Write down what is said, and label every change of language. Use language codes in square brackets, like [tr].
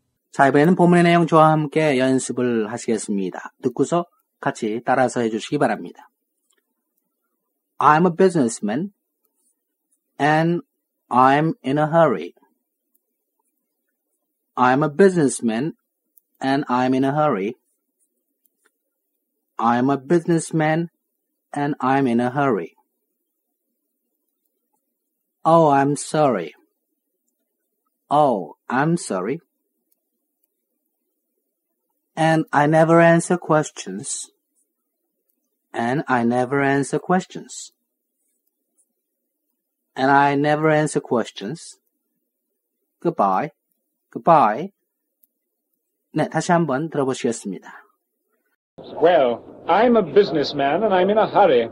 [ko] 자, 이번에는 본문의 내용 저와 함께 연습을 하시겠습니다. 듣고서 같이 따라서 해주시기 바랍니다. [en] I'm a businessman and I'm in a hurry. I'm a businessman and I'm in a hurry. I'm a businessman and I'm in a hurry. Oh, I'm sorry. Oh, I'm sorry. And I never answer questions. And I never answer questions. And I never answer questions. Goodbye. Goodbye. [ko] 네, 다시 한번 들어보시겠습니다. [en] Well, I'm a businessman and I'm in a hurry.